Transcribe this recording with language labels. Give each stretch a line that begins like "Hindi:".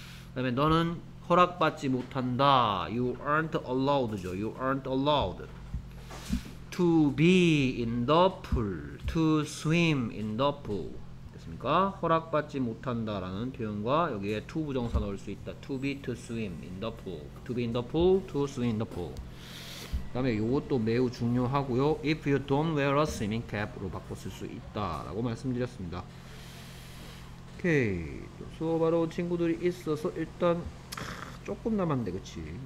Korean: 그다음에 너는 허락받지 못한다.
English: you aren't allowed죠. you aren't allowed. To be in the pool, to swim in the pool.
Korean: 됐습니까? 허락받지 못한다라는 표현과 여기에 to 부정사 넣을 수 있다.
English: To be, to swim in the pool. To be in the pool, to swim in the pool.
Korean: 그다음에 이것도 매우 중요하고요.
English: If you don't wear a swimming cap으로
Korean: 바꿔 쓸수 있다라고 말씀드렸습니다. 오케이. 수업하러 온 친구들이 있어서 일단 조금 남았는데, 그치?